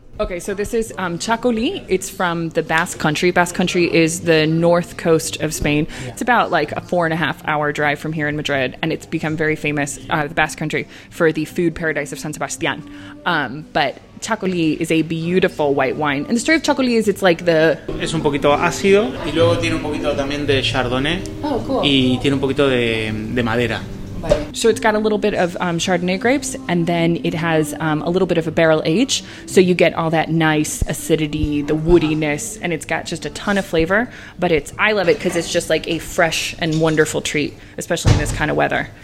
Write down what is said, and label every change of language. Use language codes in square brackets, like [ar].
[en] Okay, so this is Chacolí. It's from the Basque Country. Basque Country is the north coast of Spain. Yeah. It's about like a 4.5 hour drive from here in Madrid, and it's become very famous, the Basque Country, for the food paradise of San Sebastián. But Chacolí is a beautiful white wine. And the story of Chacolí is it's like the... [es] Es un poquito ácido, y luego tiene un poquito también de Chardonnay. [en] Oh, cool. [es] Y tiene un poquito de madera. [en] So it's got a little bit of Chardonnay grapes, and then it has a little bit of a barrel age. So you get all that nice acidity, the woodiness, and it's got just a ton of flavor. But I love it because it's just like a fresh and wonderful treat, especially in this kind of weather.